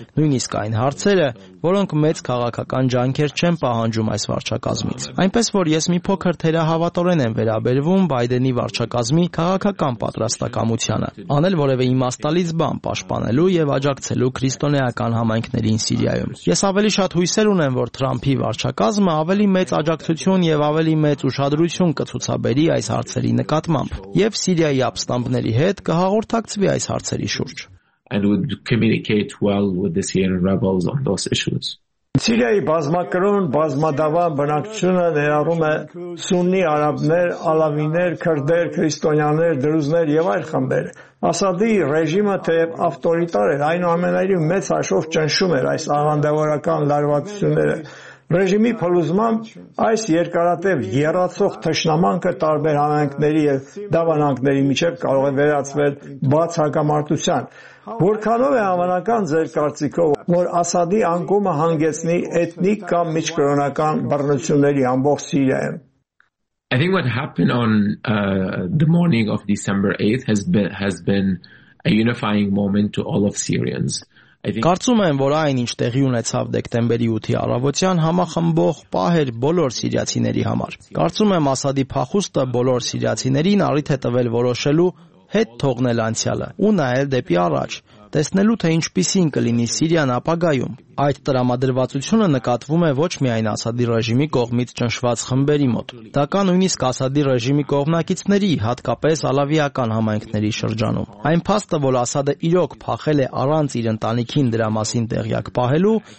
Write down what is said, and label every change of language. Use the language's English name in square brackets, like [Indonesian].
[Armenian] նույնիսկ այն հարցերը, որոնք մեծ քաղաքական ջանքեր չեն պահանջում այս վարչակազմից։ Այնպես որ ես մի փոքր թերահավատորեն եմ վերաբերվում Բայդենի վարչակազմի քաղաքական պատրաստակամությանը, անել որևէ իմաստալից բան պաշտպանելու և աջակցելու քրիստոնեական համայնքներին Սիրիայում։ Ես ավելի շատ հույսեր ունեմ, որ Թրամփի վարչակազմը ավելի մեծ աջակցություն և ավելի մեծ ուշադրություն կցուցաբերի այս հարցերի նկատմամբ, և Սիրիայի ապստամբների հետ կհաղորդակցվի այս հարցերի շուրջ։ [English] And would communicate well with the Syrian rebels on those issues. [Armenian] Սիրիայի բազմակրոն բազմադավան բնակչությունը ներառում է Սուննի արաբներ, ալավիներ, քրդեր, քրիստոնյաներ, դրուզներ եւ այլ խմբեր։ Ասադի ռեժիմը թեև ավտորիտար էր, այնուամենայնիվ մեծ հաշվով ճնշում էր այս ավանդավորական լարվածությունները։ Ռեժիմի փլուզման այս երկարատև եռացող թշնամանքը տարբեր համայնքների եւ դավանանքների միջեւ կարող է վերածվել բաց հակամարտության։ Որքանով է համանական ձեր կարծիքով, որ Ասադի անկումը հանգեցնի էթնիկ կամ միջկրոնական բռնությունների ամբողջ Սիրիայում? [English] I think what happened on the morning of December 8th has been a unifying moment to all of Syrians. [Armenian] Կարծում եմ, որ այն, ինչ տեղի ունեցավ դեկտեմբերի 8-ի առավոտյան, համախմբող պահ էր բոլոր սիրիացիների համար։ Կարծում եմ, Ասադի փախուստը բոլոր սիրիացիներին առիթ է տվել որոշելու հետ թողնել անցյալը ու նայել դեպի առաջ, տեսնելու, թե ինչպիսին կլինի Սիրիան ապագայում։ Այդ տրամադրվածությունը նկատվում է ոչ միայն Ասադի ռեժիմի կողմից ճնշված խմբերի մոտ, դա կա նույնիսկ Ասադի ռեժիմի կողմնակիցների, հատկապես ալավիական համայնքների շրջանում։ Այն փաստը, որ Ասադը իրոք փախել է առանց իր ընտանիքին դրա մասին տեղյակ պահելու,